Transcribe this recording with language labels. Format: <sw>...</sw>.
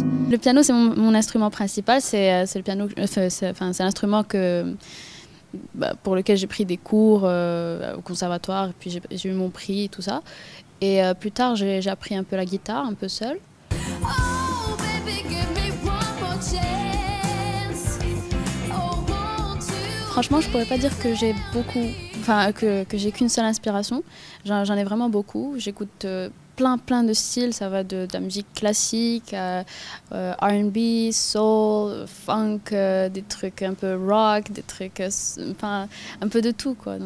<fr>Le piano, c'est mon instrument principal. C'est l'instrument pour lequel j'ai pris des cours au conservatoire, et puis j'ai eu mon prix et tout ça. Et plus tard, j'ai appris un peu la guitare, un peu seule.</fr> <en>Oh, baby, give me one more chance. Oh, won't you...</en> <fr>Franchement, je pourrais pas dire que j'ai beaucoup, que j'ai qu'une seule inspiration. J'en ai vraiment beaucoup. J'écoute plein de styles, ça va de la musique classique, R&B, soul, funk, des trucs un peu rock, des trucs un peu de tout quoi.</fr>